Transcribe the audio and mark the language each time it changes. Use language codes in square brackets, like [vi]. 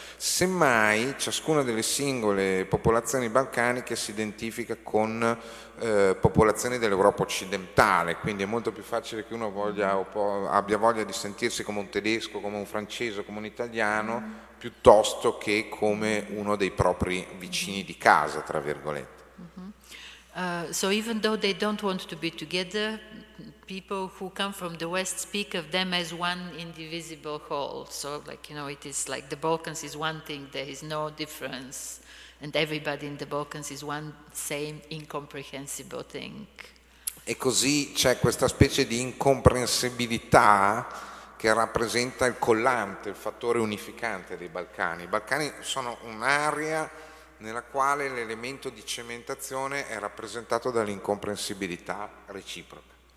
[it] Semmai ciascuna delle singole popolazioni balcaniche si identifica con popolazioni dell'Europa occidentale, quindi è molto più facile che uno voglia o abbia voglia di sentirsi come un tedesco, come un francese, come un italiano, piuttosto che come uno dei propri vicini di casa, tra virgolette. [en] So even though they don't want to be together, people who come from the West speak of them as one indivisible whole. So, like, you know, it is like the Balkans is one thing, there is no difference, and everybody in the Balkans is one same incomprehensible thing. [it] E così c'è questa specie di incomprensibilità che rappresenta il collante, il fattore unificante dei Balcani. I Balcani sono un'area nella quale l'elemento di cementazione è rappresentato dall'incomprensibilità reciproca.